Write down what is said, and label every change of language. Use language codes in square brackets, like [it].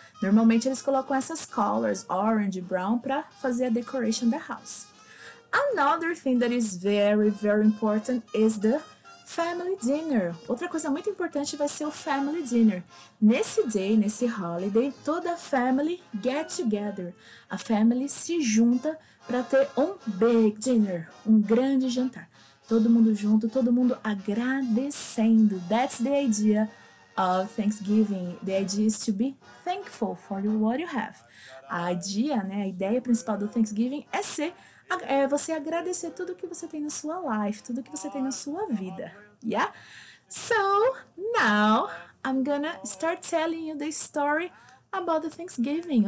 [pt] Normalmente eles colocam essas colors, orange, brown, para fazer a decoration da house. [en] Another thing that is very, very important is the family dinner. [pt] Outra coisa muito importante vai ser o family dinner. Nesse day, nesse holiday, toda a family [en] get together. [pt] A family se junta para ter um big dinner, um grande jantar. Todo mundo junto, todo mundo agradecendo. [en] That's the idea of Thanksgiving. The idea is to be thankful for what you have. [pt] A ideia principal do Thanksgiving é ser... É você agradecer tudo que você tem na sua life, tudo que você tem na sua vida, yeah? [en] So, now, I'm gonna start telling you the story about the Thanksgiving.